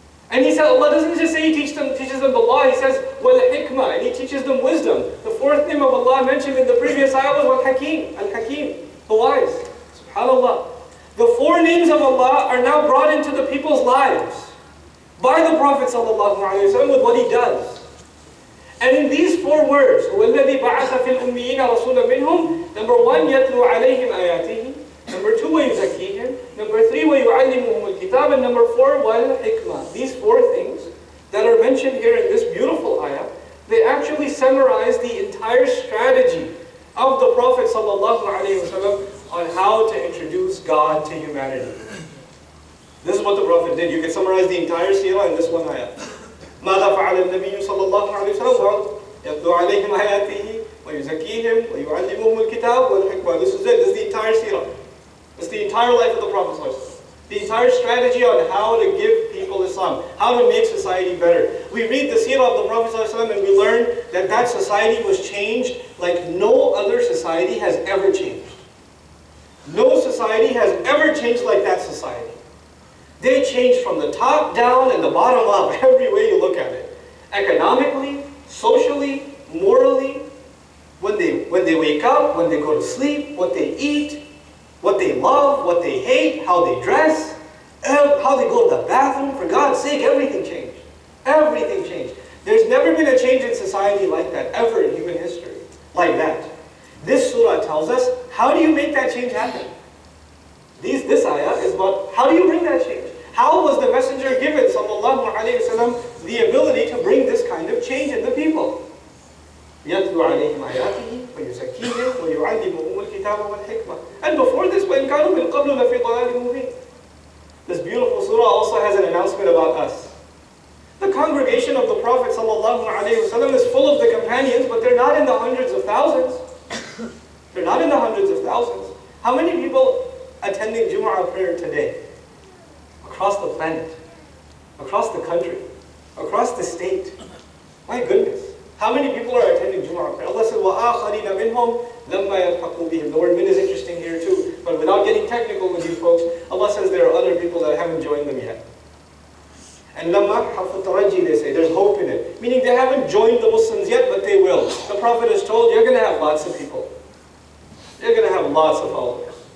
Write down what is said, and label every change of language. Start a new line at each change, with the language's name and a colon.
English: And He said, Allah doesn't just say He teaches them the law, He says, وَالْحِكْمَةِ, and He teaches them wisdom. The fourth name of Allah mentioned in the previous ayah was Al-Hakim, Al-Hakim, the wise. SubhanAllah. The four names of Allah are now brought into the people's lives by the Prophet ﷺ with what he does. And in these four words,
Arabic: وَالَّذِي بَعَثَ فِي الْأُمِّيِّينَ رَسُولًا مِّنْهُمْ.
English: Number one,
Arabic: يَتْلُو عَلَيْهِمْ آيَاتِهِ.
English: Number two,
Arabic: وَيُزَكِّيهِمْ.
English: Number three,
Arabic: وَيُعَلِّمُهُمُ الْكِتَابَ.
English: And number four, وَالْحِكْمَةِ. These four things that are mentioned here in this beautiful ayah, they actually summarize the entire strategy of the Prophet ﷺ on how to introduce God to humanity. This is what the Prophet did. You can summarize the entire seerah in this one ayah.
Arabic: ماذا فعل النبي صلى الله عليه وسلم؟ يتلو عليهم آياته ويزكيهم ويعلمهم الكتاب والحكمة.
English: This is it. This is the entire seerah. It's the entire life of the Prophet. The entire strategy on how to give people Islam, how to make society better. We read the seerah of the Prophet and we learn that that society was changed like no other society has ever changed. No society has ever changed like that society. They change from the top down and the bottom up, every way you look at it. Economically, socially, morally, when they wake up, when they go to sleep, what they eat, what they love, what they hate, how they dress, how they go to the bathroom, for God's sake, everything changed. Everything changed. There's never been a change in society like that, ever in human history, like that. This surah tells us, how do you make that change happen? This ayah is about, how do you bring that change? How was the Messenger given, sallallahu alayhi wa sallam, the ability to bring this kind of change in the people?
Arabic: يَتْلُوا عَلَيْهِمْ آيَاتِهِ وَيُزَكِّيهِمْ وَيُعَلِّمُهُمُ الْكِتَابَ وَالْحِكْمَةِ.
English: And before this,
Arabic: وَإِنْ كَانُوا مِنْ قَبْلُ لَفِي ضَلَالٍ مُبِينٍ.
English: This beautiful surah also has an announcement about us. The congregation of the Prophet sallallahu alayhi wa sallam is full of the companions, but they're not in the hundreds of thousands. They're not in the hundreds of thousands. How many people attending Jumu'ah prayer today? Across the planet, across the country, across the state. My goodness, how many people are attending Jumu'ah? Allah said,
Arabic: وَآخَرِينَ مِنْهُمْ لَمَّا يَلْحَقُوا بِهِمْ.
English: The word min is interesting here too, but without getting technical with you folks, Allah says there are other people that haven't joined them yet. And
Arabic: لَمَّا حَفُّ التَّرَجِّي,
English: they say, there's hope in it. Meaning they haven't joined the Muslims yet, but they will. The Prophet is told, you're going to have lots of people. You're going to have lots of followers.